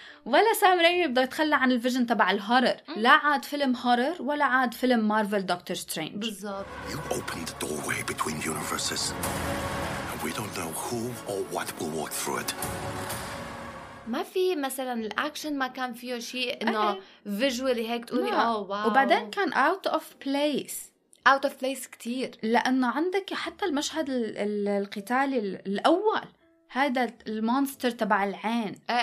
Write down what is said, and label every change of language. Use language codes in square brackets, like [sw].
[ar] ولا سام ريمي بده يتخلى عن الفيجن تبع الهورر. لا عاد فيلم هورر ولا عاد فيلم مارفل دكتور سترينج. بالضبط. [en] You opened the doorway between universes. And we don't know who or what will walk through it. [ar] ما في مثلا الاكشن ما كان فيه شيء انه فيجوالي هيك تقولي اوه واو. وبعدين كان [en] Out of place. Out of place [ar] كثير، لانه عندك حتى المشهد القتالي الاول هذا المونستر تبع العين.